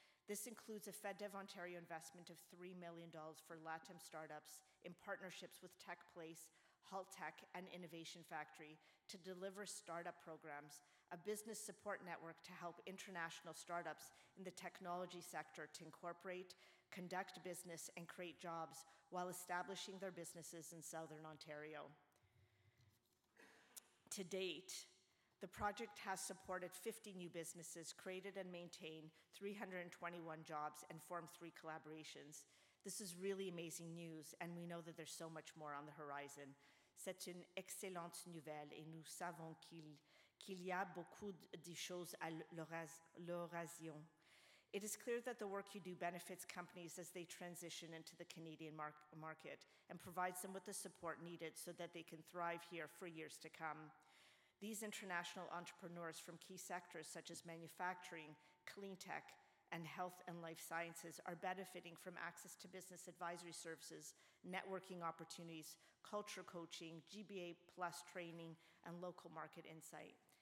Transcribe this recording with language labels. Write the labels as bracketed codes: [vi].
[en] This includes a FedDev Ontario investment of $3 million for LATAM startups in partnerships with Tech Place, Halt Tech, and Innovation Factory to deliver startup programs, a business support network to help international startups in the technology sector to incorporate, conduct business, and create jobs while establishing their businesses in Southern Ontario. To date, the project has supported 50 new businesses, created and maintained 321 jobs, and formed 3 collaborations. This is really amazing news, and we know that there's so much more on the horizon. [fr] C'est une excellente nouvelle, et nous savons qu'il y a beaucoup de choses à l'horizon. [en] It is clear that the work you do benefits companies as they transition into the Canadian market and provides them with the support needed so that they can thrive here for years to come. These international entrepreneurs from key sectors such as manufacturing, clean tech, and health and life sciences are benefiting from access to business advisory services, networking opportunities, culture coaching, GBA plus training, and local market insight.